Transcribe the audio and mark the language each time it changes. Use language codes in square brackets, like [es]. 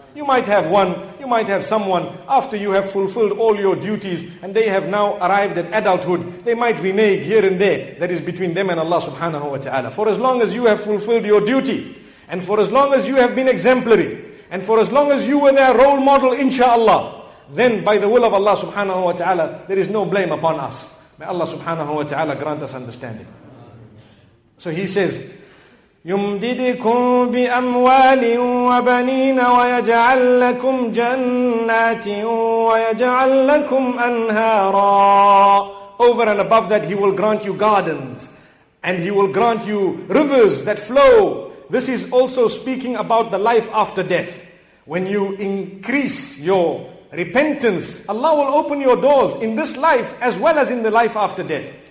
[en] You might have one, you might have someone, after you have fulfilled all your duties and they have now arrived at adulthood, they might renege here and there. That is between them and Allah subhanahu wa ta'ala. For as long as you have fulfilled your duty, and for as long as you have been exemplary, and for as long as you were their role model, inshallah, then by the will of Allah subhanahu wa ta'ala, there is no blame upon us. May Allah subhanahu wa ta'ala grant us understanding. So he says, [ar] يُمْدِدِكُمْ بِأَمْوَالٍ وَبَنِينَ وَيَجْعَلْ لَكُمْ جَنَّاتٍ وَيَجْعَلْ لَكُمْ أَنْهَارًا. [en] Over and above that, he will grant you gardens, and he will grant you rivers that flow. This is also speaking about the life after death. When you increase your repentance, Allah will open your doors in this life as well as in the life after death.